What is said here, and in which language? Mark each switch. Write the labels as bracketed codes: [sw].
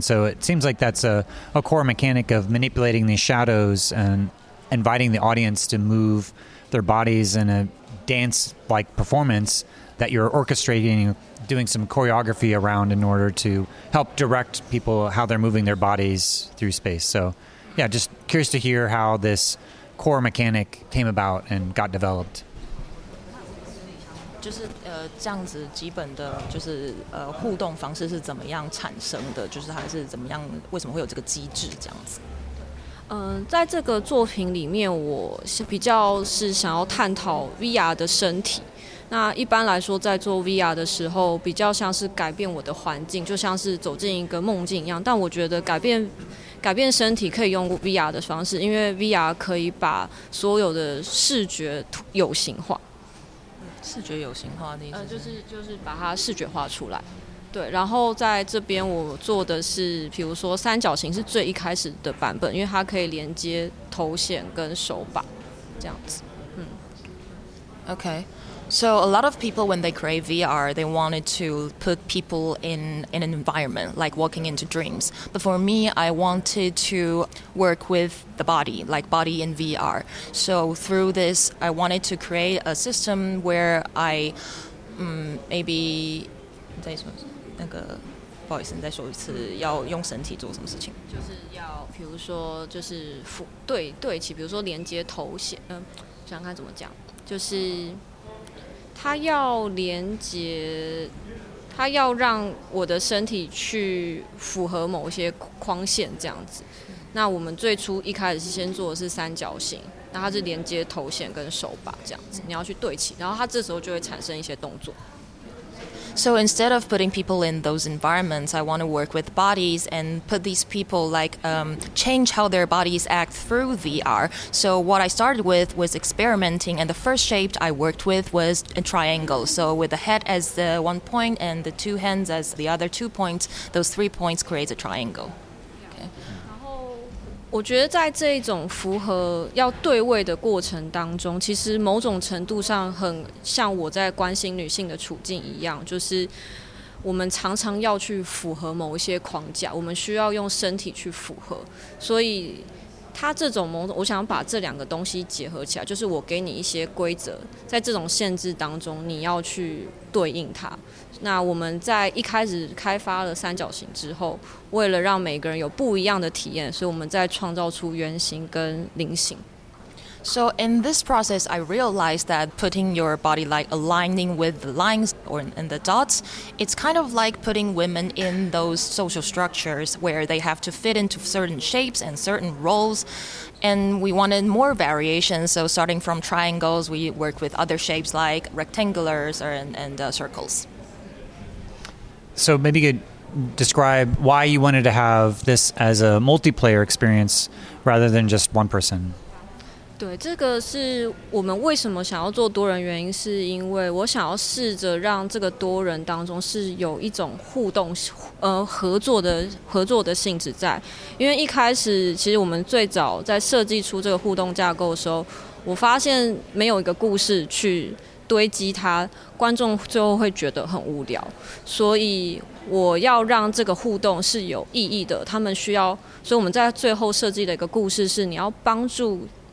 [en] And so it seems like that's a core mechanic of manipulating these shadows and inviting the audience to move their bodies in a dance-like performance that you're orchestrating, doing some choreography around in order to help direct people how they're moving their bodies through space. So, yeah, just curious to hear how this core mechanic came about and got developed. [zh] 就是这样子基本的就是互动方式是怎么样产生的，就是它是怎么样，为什么会有这个机制这样子。在这个作品里面，我是比较是想要探讨 VR 的身体。那一般来说，在做 VR 的时候，比较像是改变我的环境，就像是走进一个梦境一样。但我觉得改变身体可以用 VR 的方式，因为 VR 可以把所有的视觉有形化。视觉有形化的意思是？就是把它视觉化出来。对，然后在这边我做的是比如说三角形是最一开始的版本，因为它可以连接头显跟手把这样子。 [en] Okay, so a lot of people when they create VR, they wanted to put people in an environment like walking into dreams. But for me, I wanted to work with the body, like body in VR. So through this, I wanted to create a system where I maybe... [zh] 在说那个，不好意思，你再说一次，要用身体做什么事情？就是要，比如说，就是对齐，比如说连接头显，想看怎么讲，就是它要连接，它要让我的身体去符合某些框线这样子。那我们最初一开始是先做的是三角形，那它是连接头显跟手把这样子，你要去对齐，然后它这时候就会产生一些动作。 [en] So instead of putting people in those environments, I want to work with bodies and put these people like change how their bodies act through VR. So what I started with was experimenting, and the first shape I worked with was a triangle. So with the head as the one point and the two hands as the other two points, those three points create a triangle. Okay. [zh] 然后我觉得在这一种符合要对位的过程当中，其实某种程度上很像我在关心女性的处境一样，就是我们常常要去符合某一些框架，我们需要用身体去符合，所以它这种某种，我想把这两个东西结合起来，就是我给你一些规则，在这种限制当中你要去对应它。那我们在一开始开发了三角形之后，为了让每个人有不一样的体验，所以我们在创造出圆形跟菱形。 [en] So in this process, I realized that putting your body like aligning with the lines or in the dots, it's kind of like putting women in those social structures where they have to fit into certain shapes and certain roles. And we wanted more variations. So starting from triangles, we work with other shapes like rectangulars and circles. So maybe you could describe why you wanted to have this as a multiplayer experience rather than just one person. [zh] 对，这个是我们为什么想要做多人，原因是因为我想要试着让这个多人当中是有一种互动合作的性质在。因为一开始其实我们最早在设计出这个互动架构的时候，我发现没有一个故事去堆积它，观众最后会觉得很无聊，所以我要让这个互动是有意义的，他们需要，所以我们在最后设计的一个故事是你要帮助